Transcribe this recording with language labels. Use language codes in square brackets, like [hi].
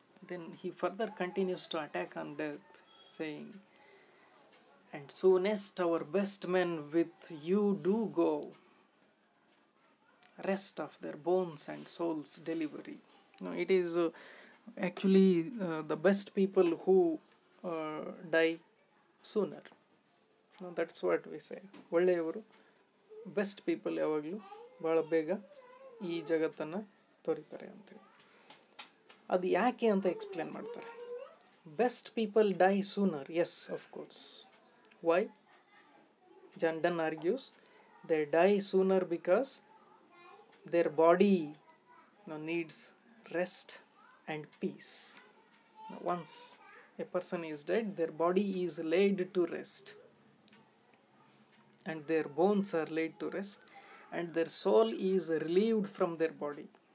[en] Then he further continues to attack on death saying and soonest our best men with you do go rest of their bones and souls delivery. Now it is actually the best people who die sooner. Now that's what we say, [kn] ಒಳ್ಳೆಯವರು best people ಯಾವಾಗಲೂ ಭಾಳ ಬೇಗ ಈ ಜಗತ್ತನ್ನು ತೊರಿತಾರೆ ಅಂತೇಳಿ. ಅದು ಯಾಕೆ ಅಂತ ಎಕ್ಸ್ಪ್ಲೇನ್ ಮಾಡ್ತಾರೆ. [en] Best people die sooner, yes of course. Why John Donne argues they die sooner because their body needs rest and peace. Now, once a person is dead, their body is laid to rest and their bones are laid to rest and their soul is relieved from their body.